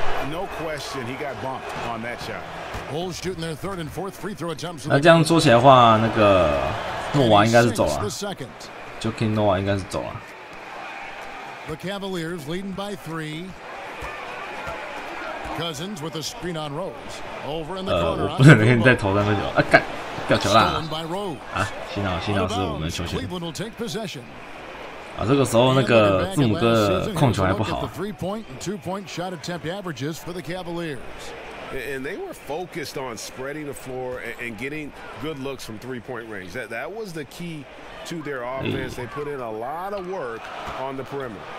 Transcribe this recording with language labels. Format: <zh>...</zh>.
<en>No question, he got bumped on that shot. Bulls shooting their third and fourth free throw attempts.</en> <zh>那这样说起来的话，那个诺瓦应该是走了。</zh> <en>Joakim Noah</en> <zh>应该是走了。</zh> <en>The Cavaliers leading by three. Cousins with a screen on Rose. Over in the corner.</en> <zh>我不能连再投三分球啊！干，掉球了啊！洗脑，洗脑是我们的球权。</zh> <en>Cleveland will take possession.</en> <zh>啊，这个时候那个字母哥控球还不好。</zh> <en>3-point and 2-point shot attempt averages for the Cavaliers. And they were focused on spreading the floor and getting good looks from three-point range. That was the key to their offense. They put in a lot of work on the perimeter.</en>